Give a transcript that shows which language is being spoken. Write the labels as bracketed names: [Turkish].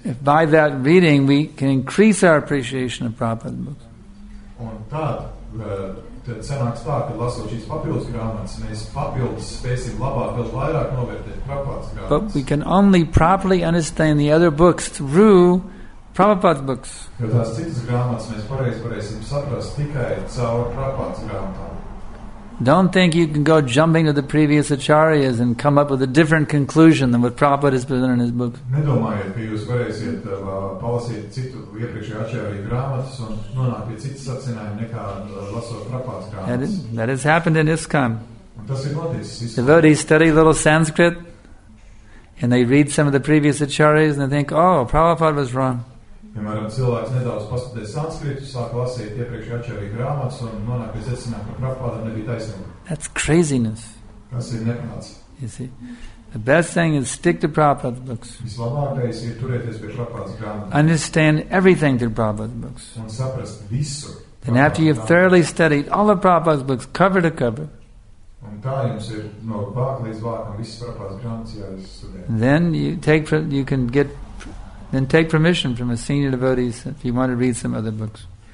[English] If by that reading we can increase our appreciation of Prabhupada's books. [Latvian] Un tad, tad senāks tā, kad lasot šīs papildus grāmatas, mēs papildus spēsim labāk, vēl vairāk novērtēt Prabhupada's grāmatas. [English] But we can only properly understand the other books through Prabhupada's books. [Latvian] Jo tās citas grāmatas mēs pareizi varēsim saprast tikai caur Prabhupada's grāmatām. [English] Don't think you can go jumping to the previous acharyas and come up with a different conclusion than what Prabhupada has presented in his book. [Latvian] Nedomājiet, ka jūs varēsiet palasīt citu iepriekšējo acharya grāmatas un nonākt pie citas secinājuma nekā lasot Prabhupada's grāmatas. [English] That has happened in ISKCON. [Latvian] Tas ir noticis ISKCON. [English] Devotees study a little Sanskrit and they read some of the previous acharyas and they think, oh, Prabhupada was wrong. [Latvian] Piemēram, cilvēks nedaudz pastudē sanskritu, sāk lasīt iepriekš acharya grāmatas un nonāk pie secinājuma, ka Prabhupāda nebija taisnība. [English] That's craziness. [Latvian] Tas ir neprāts. [English] You see, the best thing is stick to Prabhupāda's books. [Latvian] Vislabākais ir turēties pie Prabhupāda's grāmatas. [English] Understand everything through Prabhupāda's books. [Latvian] Un saprast visu. [English] And after you've thoroughly studied all of Prabhupāda's books cover to cover, [Latvian] un tā jums ir no bāka līdz bākam visas Prabhupāda's grāmatas jāizstudē. [English] Then you can get Then take permission from a senior devotee if you want to read some other books.